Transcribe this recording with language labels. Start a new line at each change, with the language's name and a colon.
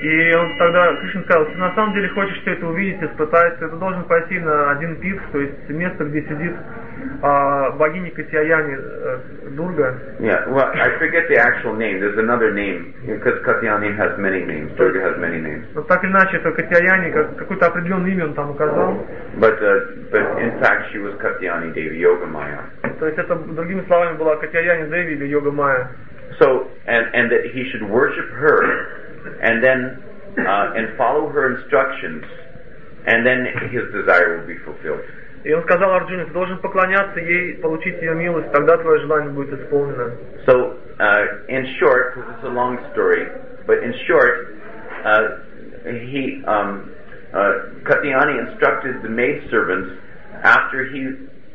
Russian: И он тогда Кришна сказал, если на самом деле хочешь все это увидеть, испытать, ты должен пойти на один пит, то есть место, где сидит богиня Катьяяни, Дурга.
English: Yeah, well, I forget the actual name. There's another name because Katyayani has many names. Durga has many names.
Russian: Но так или иначе, то Катьяяни какое-то определенное имя он там указал.
English: But in fact, she was Katyayani Devi, Yoga Maya.
Russian: То есть это другими словами была Катьяяни Деви или Йога Майя.
English: So and that he should worship her, and then and follow her instructions, and then his desire will be fulfilled.
Russian: И он сказал Арджуне, ты должен поклоняться ей, получить ее милость, тогда твое желание будет исполнено.
English: So in short, because it's a long story, but in short, Katyayani instructed the maid servants after he